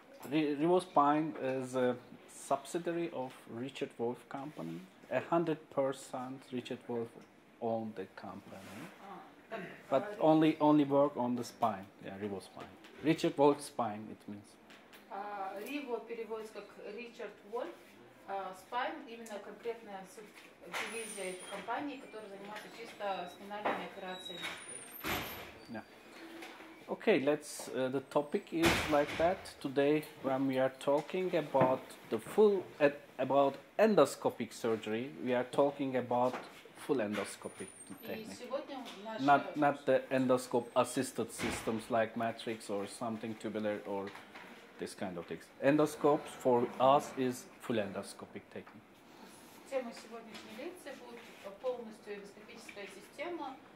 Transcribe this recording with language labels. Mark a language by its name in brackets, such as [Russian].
[English] Rivo Spine is a subsidiary of Richard Wolf Company, 100% Richard Wolf owned the company, but only work on the spine, yeah, Rivo Spine, Richard Wolf Spine it means. [Russian] Rivo переводится как Richard Wolf Spine, именно конкретная субдивизия этой компании, которая занимается чисто спинальными операциями. [English] Yeah. Okay, let's. The topic is like that today when we are talking about the full about endoscopic surgery. We are talking about full endoscopic technique, not the endoscope assisted systems like matrix or something tubular or this kind of things. Endoscopes for us is full endoscopic technique. [Russian] Тема сегодняшней лекции будет полностью эндоскопическая система,